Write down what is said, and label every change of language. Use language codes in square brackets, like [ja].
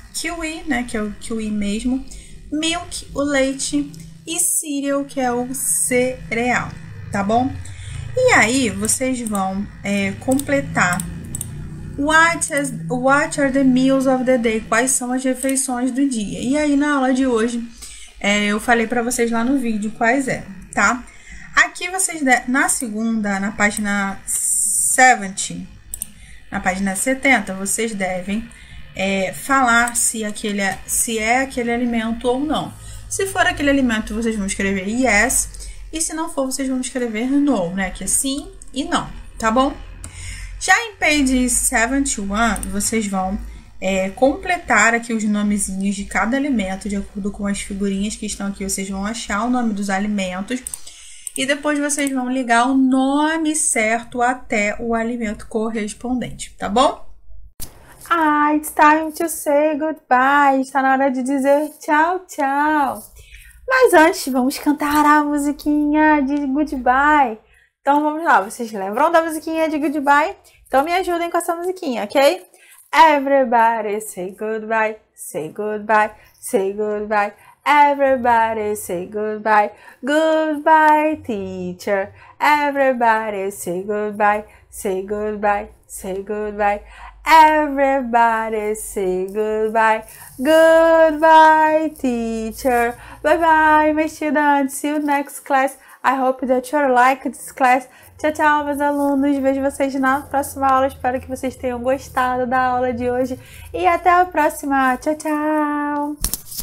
[pt] Kiwi, né, que é o kiwi mesmo. Milk, o leite. E cereal, que é o cereal, tá bom? E aí, vocês vão completar. [en] What are the meals of the day? [pt] Quais são as refeições do dia? E aí, na aula de hoje, eu falei para vocês lá no vídeo quais é, tá? Aqui vocês, na segunda, na página 70, na página 70, vocês devem falar se é aquele alimento ou não. Se for aquele alimento, vocês vão escrever yes. E se não for, vocês vão escrever no, né? Que é sim e não, tá bom? Já em page 71, vocês vão completar aqui os nomezinhos de cada alimento, de acordo com as figurinhas que estão aqui. Vocês vão achar o nome dos alimentos. E depois vocês vão ligar o nome certo até o alimento correspondente, tá bom? [en] Ah, it's time to say goodbye. [pt] Está na hora de dizer tchau, tchau. Mas antes, vamos cantar a musiquinha de goodbye. Então vamos lá, vocês lembram da musiquinha de goodbye? Então me ajudem com essa musiquinha, ok? [en] Everybody say goodbye, say goodbye, say goodbye. Everybody say goodbye, goodbye teacher. Everybody say goodbye, say goodbye, say goodbye. Everybody say goodbye, goodbye teacher. Bye bye, my students. See you next class. I hope that you like this class. [pt] Tchau, tchau, meus alunos. Vejo vocês na próxima aula. Espero que vocês tenham gostado da aula de hoje. E até a próxima. Tchau, tchau.